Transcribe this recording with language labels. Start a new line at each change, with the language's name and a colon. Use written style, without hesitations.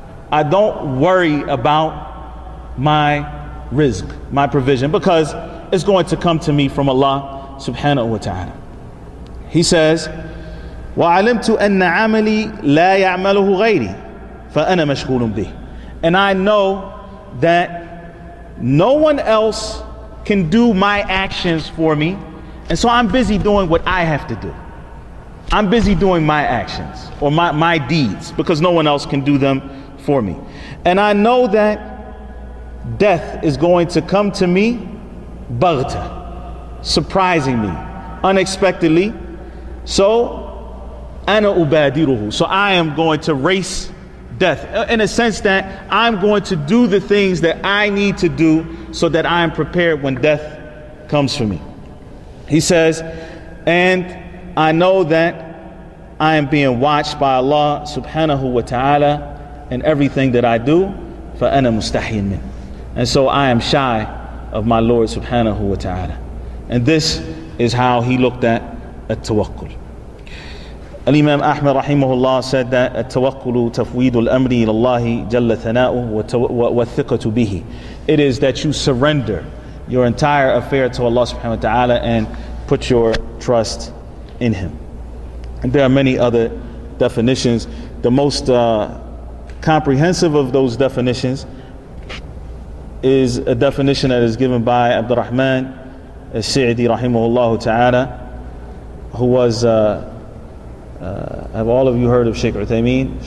English: I don't worry about my risk, my provision, because it's going to come to me from Allah subhanahu wa ta'ala. He says,
Arabic: وَعَلِمْتُ أَنَّ عَمَلِي لَا يَعْمَلُهُ غَيْرِي فَأَنَا مَشْغُولٌ بِهِ.
English: And I know that no one else can do my actions for me, and so I'm busy doing what I have to do. I'm busy doing my actions or my deeds because no one else can do them for me. And I know that death is going to come to me, baghta, surprising me, unexpectedly. So,
Arabic: ana ubadiruhu.
English: So I am going to race death in a sense that I'm going to do the things that I need to do so that I am prepared when death comes for me. He says, and I know that I am being watched by Allah subhanahu wa ta'ala in everything that I do.
Arabic: فَأَنَا مُسْتَحِيٍ مِنْ.
English: And so I am shy of my Lord subhanahu wa ta'ala. And this is how he looked at التوكل. Al-Imam Ahmad rahimahullah said that
Arabic: التوكل تفويد الأمر إلى الله جل ثناؤه والثقة به.
English: It is that you surrender your entire affair to Allah subhanahu wa ta'ala and put your trust in him. And there are many other definitions. The most comprehensive of those definitions is a definition that is given by Abdurrahman al-Sa'idi rahimahullah ta'ala, who was, have all of you heard of Shaykh Uthaymeen?